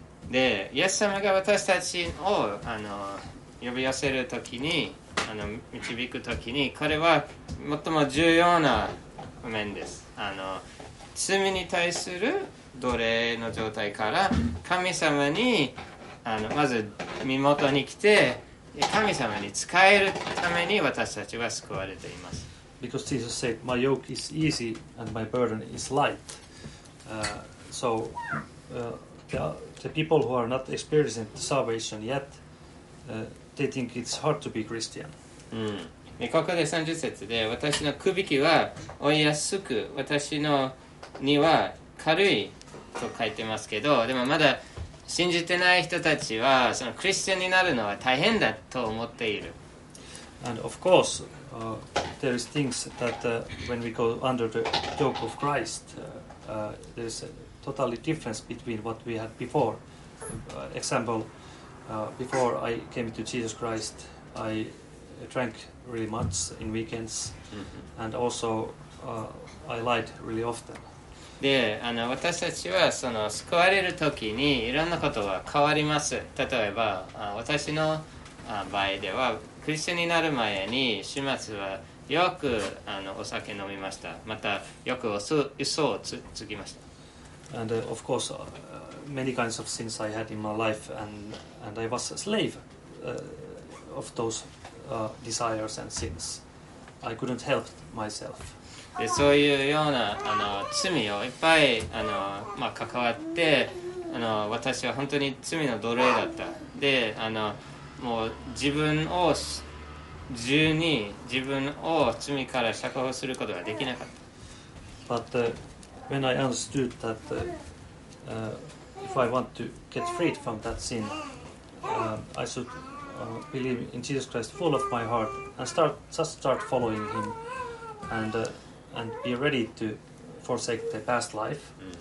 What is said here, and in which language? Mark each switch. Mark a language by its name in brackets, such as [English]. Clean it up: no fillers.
[Japanese] でイエス様が私たちをあの呼び寄せるときにあの導くときにこれは最も重要な面です。あの罪に対する奴隷の状態から神様にあのまず身元に来て神様に仕えるために私たちは救われています。 [English] Because Jesus said my yoke is easy and my burden is light so the people who are not experiencing salvation yet they think it's hard to be Christian. [Japanese] ここで30節で私の首輝きは負いやすく私の荷は軽いと書いてますけど、でもまだ信じてない人たちはそのクリスチャンになるのは大変だと思っている。 [English] And of course there is things that when we go under the yoke of Christ there's a totally difference between what we had before. Example,before I came to Jesus Christ, I drank really much in weekends, and also I lied really often. [Japanese] で、あの私たちはその救われる時にいろんなことが変わります。例えば、私の場合ではクリスチャンになる前に週末はよくあのお酒飲みました。またよく嘘をつきました。 [English] And of course, many kinds of sins I had in my life, and I was a slave of those desires and sins. I couldn't help myself. [Japanese] でそういうようなあの罪をいっぱいあの、まあ、関わってあの私は本当に罪の奴隷だった。であのもう自分を自由に自分を罪から釈放することができなかった。 [English] But when I understood that if I want to get freed from that sin, I should believe in Jesus Christ full of my heart and start following him andand be ready to forsake the past life.